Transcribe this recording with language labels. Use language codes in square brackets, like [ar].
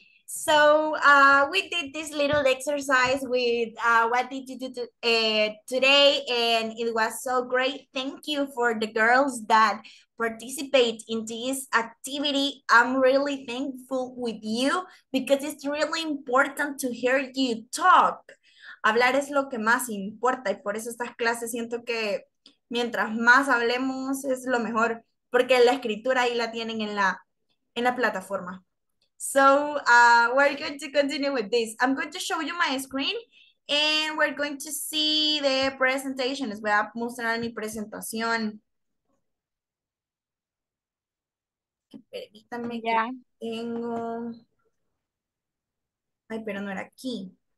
[en] So, we did this little exercise with what did you do today, and it was so great. Thank you for the girls that participate in this activity. I'm really thankful with you because it's really important to hear you talk. [es] Hablar es lo que más importa, y por eso estas clases siento que mientras más hablemos es lo mejor, porque la escritura ahí la tienen en la plataforma. [en] So we're going to continue with this. I'm going to show you my screen and we're going to see the presentation. [es] Les voy a mostrar mi presentación. Permítanme yeah. Que tengo. Ay, pero no era aquí.